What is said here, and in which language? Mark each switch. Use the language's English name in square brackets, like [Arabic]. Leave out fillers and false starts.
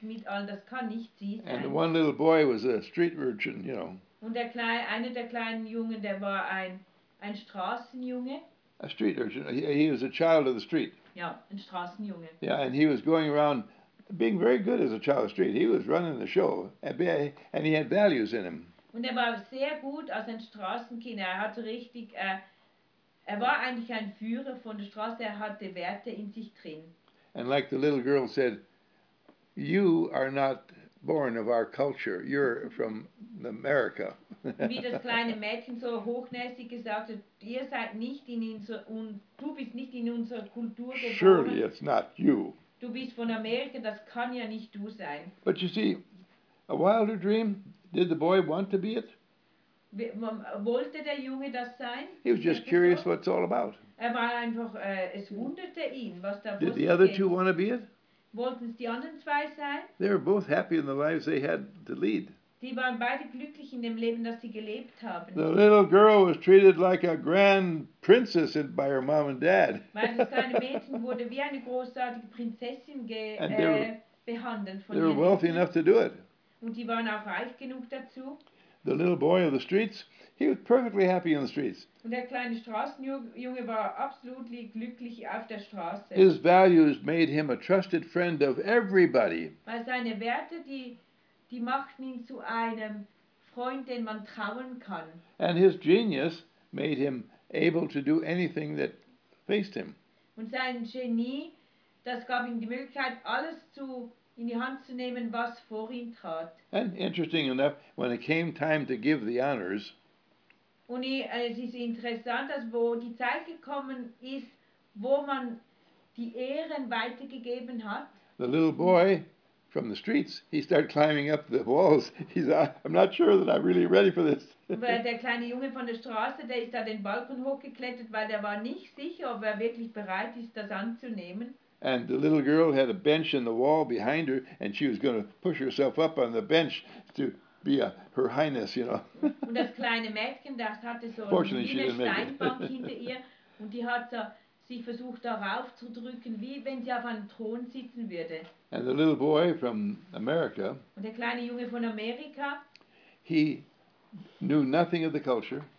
[English] And the one little boy was a street urchin, you know. A street urchin, he was a child of the street. [German] Ja, ein Straßenjunge. [English] Yeah, and he was going around being very good as a child of street. He was running the show, and he had values in him. [German] Und er war sehr gut als ein Straßenkind. Er hatte richtig, er war eigentlich ein Führer von der Straße. Er hatte Werte in sich drin. [English] And like the little girl said, you are not born of our culture. You're from America. [German] Wie das kleine Mädchen so hochnäsig gesagt hat, ihr seid nicht in du bist nicht in unserer Kultur geboren. [English] Surely it's not you. [German] Du bist von Amerika, das kann ja nicht du sein. [English] But you see, a wilder dream, did the boy want to be it? [German] Wollte der Junge das sein? [English] He was just curious what it's all about. [German] Er war einfach, es wunderte ihn, was da passiert. [English] Did the other two want to be it? [German] Wollten es die anderen zwei sein? [English] They were both happy in the lives they had to lead. [German] Die waren beide glücklich in dem Leben, das sie gelebt haben. [English] The little girl was treated like a grand princess by her mom and dad. [German] Weil das kleine Mädchen wurde wie eine großartige Prinzessin behandelt. [English] They were wealthy enough to do it. [German] Und die waren auch reich genug dazu. [English] The little boy of the streets, he was perfectly happy in the streets. [German] Und der kleine Straßenjunge war absolut glücklich auf der Straße. [English] His values made him a trusted friend of everybody. [German] Weil seine Werte, die machten ihn zu einem Freund, den man trauen kann. [English] And his genius made him able to do anything that faced him. [German] Und sein Genie, das gab ihm die Möglichkeit, alles in die Hand zu nehmen, was vor ihm trat. [English] And interesting enough, when it came time to give the honors, [German] und es ist interessant, dass wo die Zeit gekommen ist, wo man die Ehren weitergegeben hat, [English] the little boy from the streets, he started climbing up the walls. He's, I'm not sure that I'm really ready for this. [German] Der kleine Junge von der Straße, der ist da den Balkon hochgeklettert, weil er war nicht sicher, ob er wirklich bereit ist, das anzunehmen. [English] And the little girl had a bench in the wall behind her, and she was going to push herself up on the bench to be a Her Highness, you know. [German] Und das kleine Mädchen, das hatte so eine [English] Fortunately, [German] kleine Steinbank hinter ihr, und die hat sich versucht, darauf zu drücken, wie wenn sie auf einem Thron sitzen würde. [English] And the little boy from America, [German] und der kleine Junge von Amerika, [English] he knew nothing of the culture.